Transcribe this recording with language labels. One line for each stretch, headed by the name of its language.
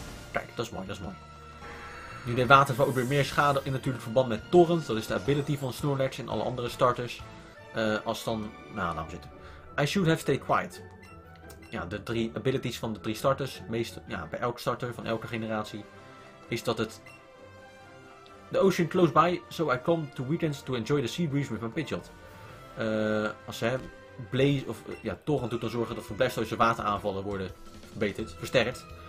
Dutch: Kijk, dat is mooi. Nu deed Waterval ook weer meer schade in natuurlijk verband met Torrent. Dat is de ability van Snorlax en alle andere starters. Als dan... Nou, laat maar zitten.
English: I should have stayed quiet.
Dutch: Ja, de 3 abilities van de 3 starters. Meestal, ja, bij elk starter van elke generatie. Is dat het...
English: The ocean close by, so I come to weekends to enjoy the sea breeze with my Pidgeot.
Dutch: Als ze Blaze of... ja, Torrent doet dan zorgen dat voor Blastoise wateraanvallen worden verbeterd, versterkt.